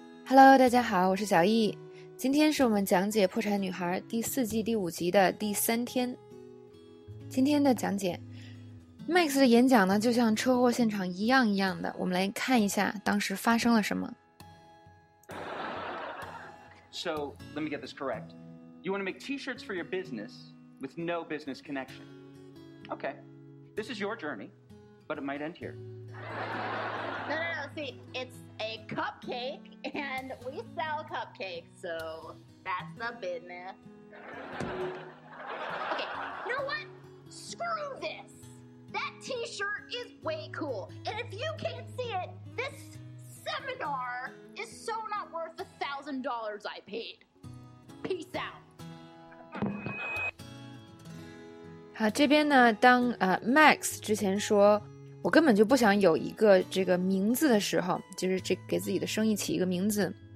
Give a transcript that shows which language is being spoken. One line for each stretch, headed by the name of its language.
Chinese: Hello，大家好，我是小易。今天是我们讲解《破产女孩》第四季第五集的第三天。今天的讲解 ，Max 的演讲呢，就像车祸现场一样一样的。我们来看一下当时发生了什么。
English: So let me get this correct. You want to make T-shirts for your business with no business connection? Okay. This is your journey, but it might end here. No. See, it's. Cupcake, and we sell cupcakes, so that's the business. Okay, you know what? Screw this! That t-shirt is way cool, and if you can't see it, this seminar is so not worth the $1,000 I paid. Peace out.
Chinese: 好，这边呢，当Max 之前说我根本就不想有一个这个名字的时候，就是这给自己的生意起一个名字。